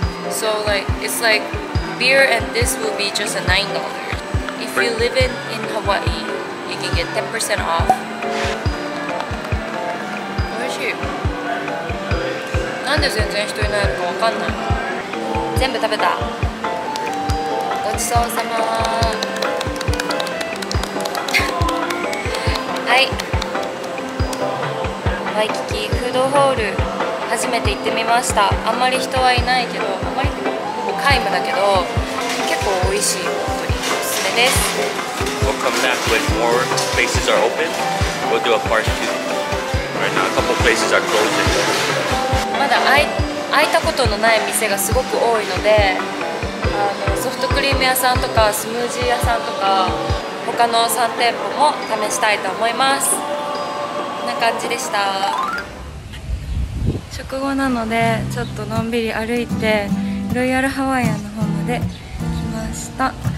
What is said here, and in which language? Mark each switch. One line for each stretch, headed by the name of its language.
English: So like, it's like beer and this will be just a $9. If you live in Hawaii, you can get 10% off.
Japanese: なんで全然人いないのかわかんない。全部食べた。ごちそうさま。はい。ワイキキフードホール初めて行ってみました。あんまり人はいないけど、あんまりほぼ皆無だけど、結構美味しい。本当におすすめです。
English: We'll come back when more places are open. We'll do a part two. Right now, a couple places are closing.
Japanese: まだ開いたことのない店がすごく多いので、ソフトクリーム屋さんとかスムージー屋さんとか他の3店舗も試したいと思います。こんな感じでした。食後なのでちょっとのんびり歩いてロイヤルハワイアンの方まで来ました。